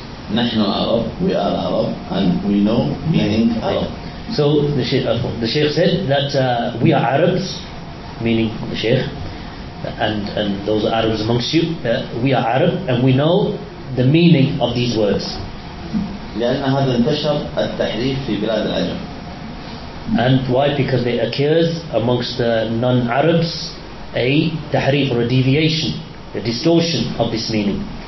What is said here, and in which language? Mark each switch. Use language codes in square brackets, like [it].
[ar] نحن عرب, [en] we are Arab, and we know meaning Arab. So the Sheikh said that we are Arabs, meaning the Sheikh, and those Arabs amongst you, we are Arab and we know the meaning of these words. [ar] لأن هذا انتشر التحريف في بلاد العجم. [en] And why? Because it occurs amongst the non-Arabs. A tahrif or a deviation, a distortion of this meaning.